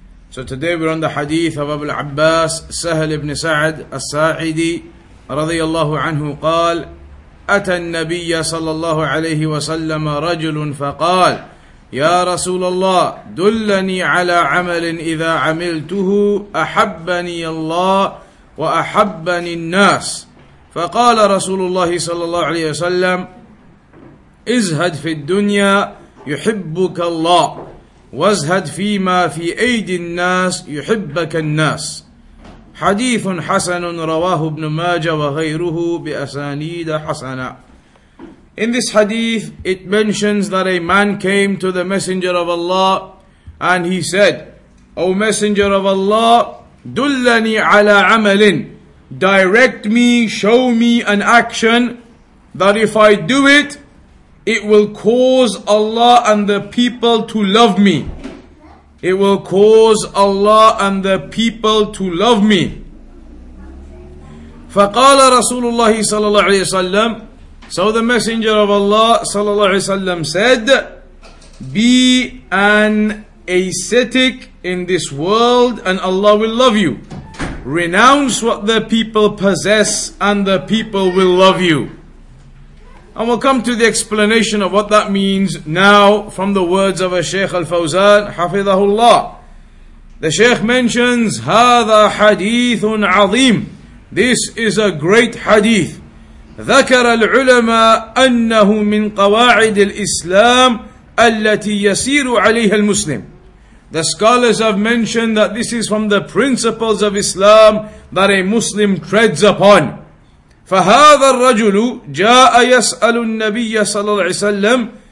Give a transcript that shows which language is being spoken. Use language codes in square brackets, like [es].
[en] So today we're on the hadith of Abu al-Abbas Sahal ibn Sa'd al-Sa'idi [ar] رضي الله عنه قال أتى النبي صلى الله عليه وسلم رجل فقال يا رسول الله دلني على عمل إذا عملته أحبني الله وأحبني الناس فقال رسول الله صلى الله عليه وسلم ازهد في الدنيا يحبك الله وازهد فيما في أيدي الناس يحبك الناس حديث حسن رواه ابن ماجه وغيره بأسانيد حسنة. [en] In this hadith, it mentions that a man came to the Messenger of Allah and he said, O Messenger of Allah, [ar] دلني على عمل, [en] direct me, show me an action that if I do it, it will cause Allah and the people to love me. It will cause Allah and the people to love me. [ar] فقال رسول الله صلى الله عليه وسلم. [en] So the Messenger of Allah [ar] صلى الله عليه وسلم [en] said, be an ascetic in this world and Allah will love you. Renounce what the people possess and the people will love you. And we'll come to the explanation of what that means now from the words of a Shaykh Al-Fawzan, Hafidhahullah. The Shaykh mentions, [ar] هَذَا حَدِيثٌ عَظِيمٌ. [en] This is a great hadith. [ar] ذَكَرَ الْعُلَمَاءَ أَنَّهُ مِنْ قَوَاعِدِ الْإِسْلَامِ الَّتِي يَسِيرُ عَلَيْهَا الْمُسْلِمِ. [en] The scholars have mentioned that this is from the principles of Islam that a Muslim treads upon. [ar] فهذا الرجل جاء يسأل النبي صلى الله عليه وسلم.